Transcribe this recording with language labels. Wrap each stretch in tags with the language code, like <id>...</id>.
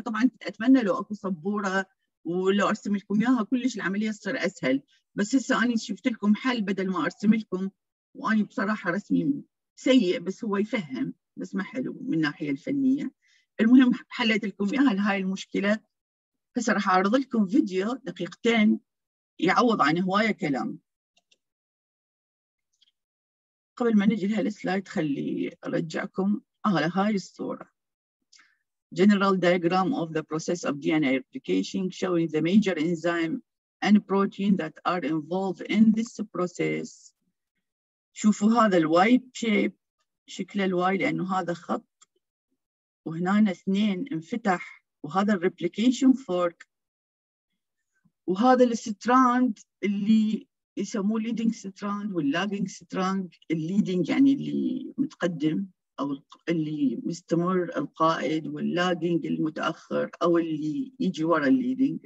<ar>طبعا أتمنى لو أكو صبورة ولو ارسم لكم اياها كلش العمليه تصير اسهل، بس هسه انا شفت لكم حل بدل ما ارسم لكم، واني بصراحه رسمي سيء بس هو يفهم، بس ما حلو من الناحيه الفنيه. المهم حليت لكم اياها هاي المشكله. هسه راح اعرض لكم فيديو دقيقتين يعوض عن هوايه كلام. قبل ما نجي لهالسلايد خلي ارجعكم على هاي الصوره.</ar> <en>General diagram of the process of DNA replication showing the major enzyme and protein that are involved in this process.</en> <ar>شوفوا هذا الـ Y shape، شكل الـ Y لأنه هذا خط، وهنا اثنين انفتح، وهذا الـ replication fork، وهذا الـ strand اللي يسموه ليدنج ستراند واللاجنج ستراند. الليدنج يعني اللي متقدم او اللي مستمر القائد، واللاجنج المتاخر او اللي يجي ورا الليدنج.</ar>